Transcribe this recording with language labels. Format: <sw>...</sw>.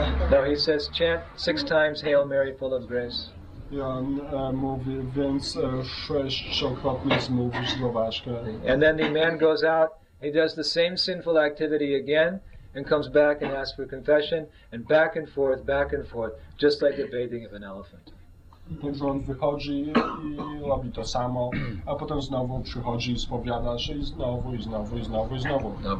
<en>No, he says, chant six times Hail Mary full of grace.</en> <pl>On mówi, więc sześciokrotnie zmówisz zrowaszkę.</pl> <en>And then the man goes out, he does the same sinful activity again, and comes back and asks for confession, and back and forth, just like the bathing of an elephant.</en> <pl>Także on wychodzi i robi to samo, a potem znowu przychodzi i spowiada się i znowu, i znowu, i znowu, i znowu.</pl>